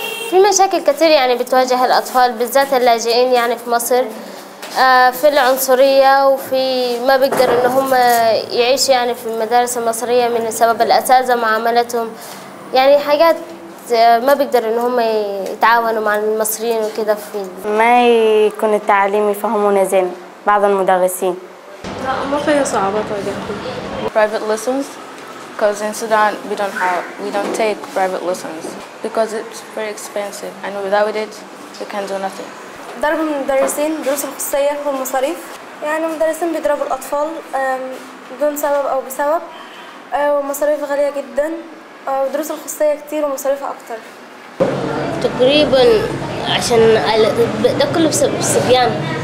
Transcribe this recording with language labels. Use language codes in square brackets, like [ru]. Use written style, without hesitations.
[ar] في مشاكل كثيرة يعني بتواجه الأطفال بالذات اللاجئين يعني في مصر، في العنصرية، وفي ما بيقدر إن هم يعيشوا يعني في المدارس المصرية من سبب الأساتذة معاملتهم، يعني حاجات ما بيقدر ان هم يتعاونوا مع المصريين وكده. في ما يكون التعليم يفهمونا زين بعض المدرسين، لا ما فيها صعوبات واجهتهم. [en] Private lessons because in Sudan we don't take private lessons because it's very expensive and without it we can do nothing. [ar] ضرب المدرسين، دروس الخصوصية والمصاريف، يعني المدرسين بيضربوا الأطفال بدون سبب أو بسبب، ومصاريف غالية جدا، دروس الخصوصية كتير ومصاريفها أكتر. تقريبا عشان ده كله بسبب الصبيان.